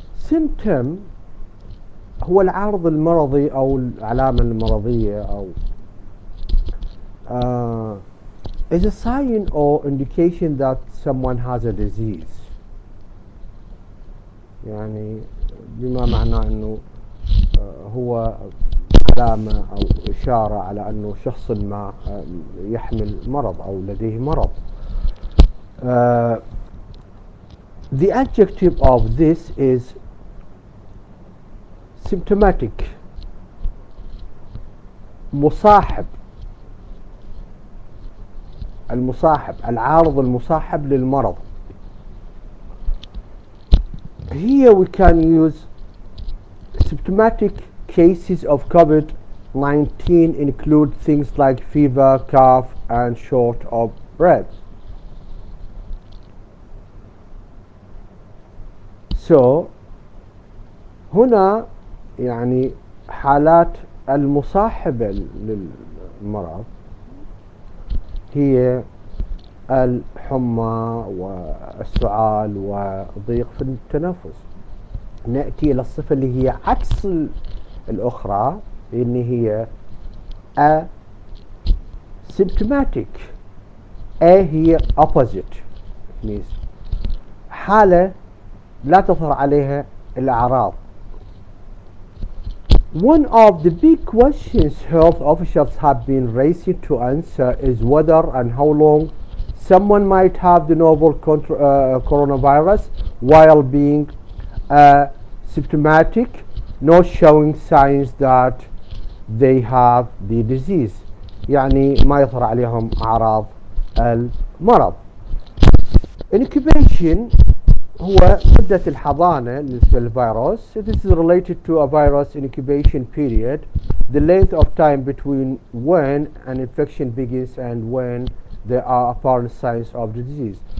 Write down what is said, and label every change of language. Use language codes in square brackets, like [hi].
[en] Symptom [ar] هو العرض المرضي أو العلامة المرضية أو [en] is a sign or indication that someone has a disease. [ar] يعني بما معنى أنه هو علامة أو إشارة على أنه شخص ما يحمل مرض أو لديه مرض. [en] The adjective of this is symptomatic. [ar] مصاحب. المصاحب، العارض المصاحب للمرض. [en] Here we can use symptomatic cases of COVID-19 include things like fever, cough, and short of breath. [ar] So, هنا يعني حالات المصاحبة للمرض هي الحمى والسعال وضيق في التنفس. نأتي إلى الصفة اللي هي عكس الأخرى إن هي asymptomatic. A هي opposite، حالة لا تظهر عليها الأعراض. [en] One of the big questions health officials have been racing to answer is whether and how long someone might have the novel coronavirus while being symptomatic, not showing signs that they have the disease. [ar] يعني ما يظهر عليهم أعراض المرض. Incubation هو مدة الحضانة بالنسبة للفيروس. [en] This is related to a virus incubation period, the length of time between when an infection begins and when there are apparent signs of the disease.